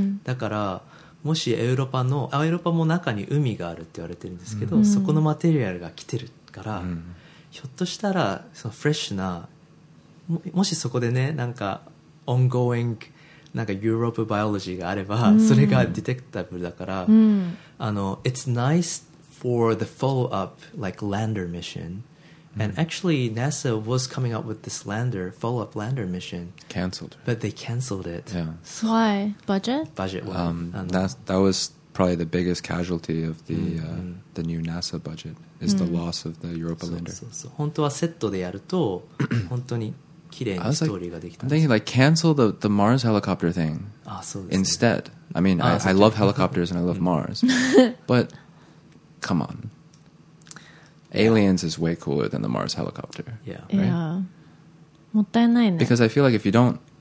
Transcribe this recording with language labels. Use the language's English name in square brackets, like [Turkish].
[Japanese] だから、もしヨーロッパも中に海があるって言われてるんですけど、そこのマテリアルが来てるから、ひょっとしたら、そのフレッシュな、もしそこでね、なんか、ongoing、なんか、ヨーロッパバイオロジーがあれば、それがディテクタブルだから、あの、 [English] it's nice to,for the follow-up, like, lander mission. And actually, NASA was coming up with this lander, follow-up lander mission. Cancelled. But they cancelled it. Yeah. Why? Budget? Budget. That was probably the biggest casualty of the new NASA budget, is the loss of the Europa lander. [Japanese] So, 本当はセットでやると、本当に綺麗なストーリーができた。 [English] I'm thinking, like, cancel the Mars helicopter thing instead. I mean, I love helicopters and I love Mars. But... Come on. Aliens is way cooler than the Mars helicopter. Yeah. Right? Yeah. Because I feel like if you don't...